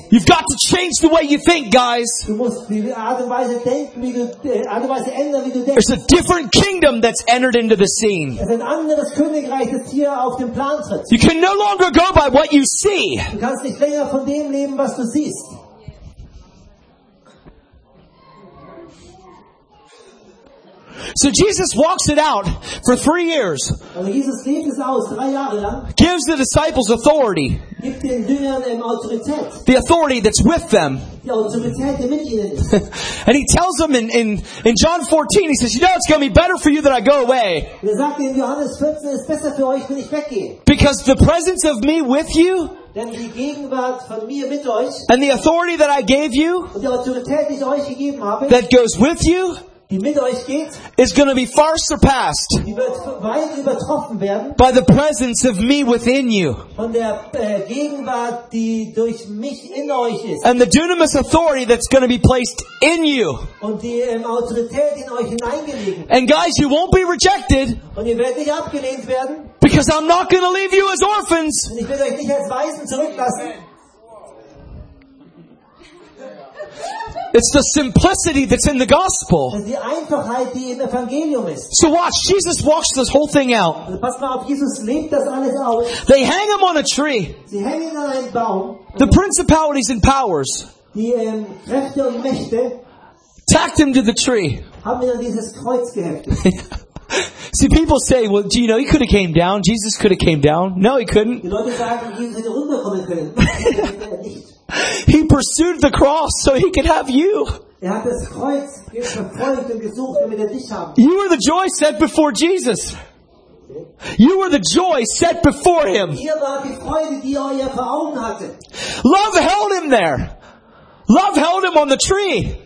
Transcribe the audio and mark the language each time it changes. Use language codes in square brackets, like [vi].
[en] You've got to change the way you think, guys. [de] Du musst die Art und Weise denken, wie du, Art und Weise ändern, wie du denkst. [en] There's a different kingdom that's entered into the scene. [de] Es ist ein anderes Königreich, das hier auf den Plan tritt. [en] You can no longer go by what you see. [de] Du kannst nicht länger von dem leben, was du siehst. [en] So Jesus walks it out for 3 years. [de] Jesus lebt es aus, 3 Jahre lang. [en] Gives the disciples authority. [de] Gibt den Jüngern Autorität. [en] The authority that's with them. [de] Die Autorität, die mit ihnen ist. [en] And he tells them in John 14, he says, you know, it's going to be better for you that I go away. [de] Er sagt in Johannes 14, es ist besser für euch, wenn ich weggehe. [en] Because the presence of me with you, [de] denn die Gegenwart von mir mit euch, [en] and the authority that I gave you, [de] und die Autorität, die ich euch gegeben habe, [en] that goes with you, [de] die mit euch geht, [en] is going to be far surpassed, [de] die wird weit übertroffen werden, [en] by the presence of me within you. [de] Von der, Gegenwart, die durch mich in euch ist. [en] And the dunamis authority that's going to be placed in you. [de] Und die, Autorität in euch hineingelegt. [en] And guys, you won't be rejected. [de] Und ihr werdet nicht abgelehnt werden. [en] Because I'm not going to leave you as orphans. [de] Und ich werde euch nicht als Waisen zurücklassen. [en] It's the simplicity that's in the gospel. [de] Die Einfachheit, die im Evangelium ist. [en] So watch, Jesus walks this whole thing out. [de] Pass mal auf, Jesus lebt das alles aus. [en] They hang him on a tree. [de] Sie hängen ihn an einen Baum. [en] The principalities and powers, [de] die, Kräfte und Mächte, [en] tacked him to the tree. [de] Haben ihn an dieses Kreuz geheftet. [en] See, people say, well, you know, he could have came down. Jesus could have came down. No, he couldn't. [de] Die Leute sagen, Jesus hätte runterkommen können. [en] He pursued the cross so he could have you. [de] Er hat das Kreuz verfolgt und gesucht, damit er dich haben. [en] You were the joy set before Jesus. You were the joy set before him. [de] Ihr wart die Freude, die er euch vor Augen hatte. [en] Love held him there. Love held him on the tree.